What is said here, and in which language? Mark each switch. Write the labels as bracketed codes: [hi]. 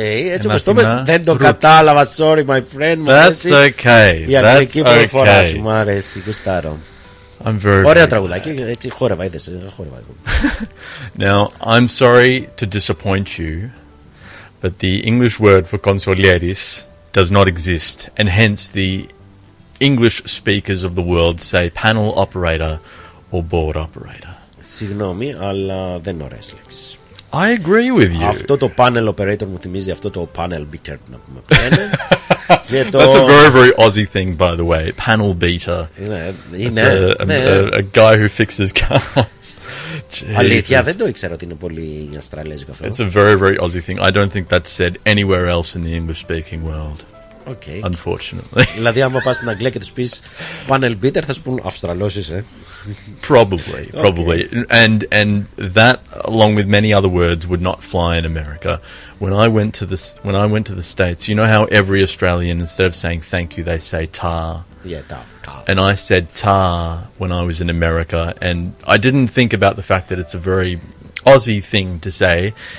[el] Έτσι όπως το είπες δεν το κατάλαβα. [en] Sorry my friend. That's okay. [el] Μου αρέσει, γουστάρω. [en] I'm very [el] ωραία τραγουδάκι, έτσι χόρευα, είδες, χόρευα. [en] Now, I'm sorry to disappoint you, but the English word for consolieris does not exist, and hence the English speakers of the world say panel operator or board operator. [el] Συγγνώμη, αλλά δεν ωραίες λέξεις. [en] I agree with you. [el] Αυτό το panel operator μου θυμίζει αυτό το panel beater, να πούμε πλέον. [en] That's a very, very Aussie thing, by the way. Panel beater. A guy who fixes cars. [el] Αλήθεια, δεν το ήξερα ότι είναι πολύ αυστραλέζικο αυτό. [en] It's a very, very Aussie thing. I don't think that's said anywhere else in the English-speaking world. Okay. Unfortunately. [el] Δηλαδή, άμα πας στην Αγγλία και τους πεις panel beater, θα σου πούν αυστραλώσεις, ε? [en] Probably. Okay. And that, along with many other words, would not fly in America. When I went to the States, you know how every Australian, instead of saying thank you, they say ta. Yeah, ta. And I said ta when I was in America, and I didn't think about the fact that it's a very Aussie thing to say.